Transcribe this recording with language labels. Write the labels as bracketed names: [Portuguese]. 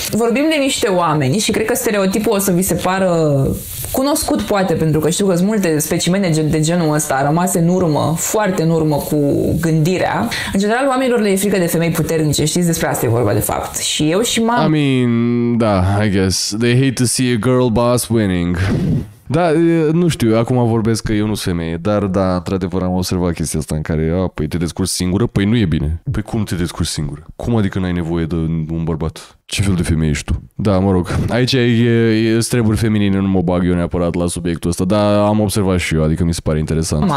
[Romanian] Vorbim de niște oameni și cred că stereotipul o să vi se pară cunoscut poate, pentru că știu că sunt multe specimene de genul ăsta rămase în urmă, foarte în urmă cu gândirea. În general, oamenilor le e frică de femei puternice, știți, despre asta e vorba de fapt. Și eu și mama... [English] I mean, da, I guess. They hate to see a girl boss winning. [Romanian] Da, nu știu, acum vorbesc că eu nu sunt femeie, dar da, într-adevăr am observat chestia asta în care, păi te descurci singură? Păi nu e bine. Păi cum te descurci singură? Cum adică n-ai nevoie de un bărbat? Ce fel de femeie ești tu? Da, mă rog, aici sunt treburi feminine, nu mă bag eu neapărat la subiectul ăsta, dar am observat și eu, adică mi se pare interesant.